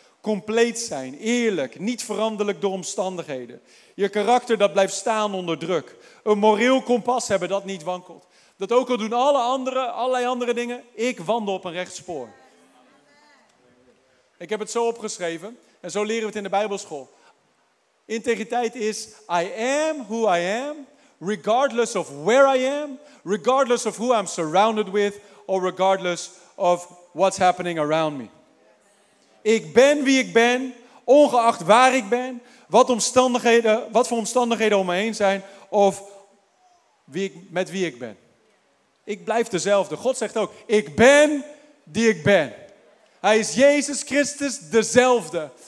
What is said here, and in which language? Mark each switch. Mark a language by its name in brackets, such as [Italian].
[Dutch] Compleet zijn, eerlijk, niet veranderlijk door omstandigheden. Je karakter dat blijft staan onder druk. Een moreel kompas hebben dat niet wankelt. Dat ook al doen allerlei andere dingen, ik wandel op een recht spoor. Ik heb het zo opgeschreven en zo leren we het in de Bijbelschool. Integriteit is, [English] I am who I am, regardless of where I am, regardless of who I'm surrounded with, or regardless of what's happening around me. [Dutch] Ik ben wie ik ben, ongeacht waar ik ben, wat voor omstandigheden om me heen zijn, of met wie ik ben. Ik blijf dezelfde. God zegt ook, ik ben die ik ben. Hij is Jezus Christus dezelfde.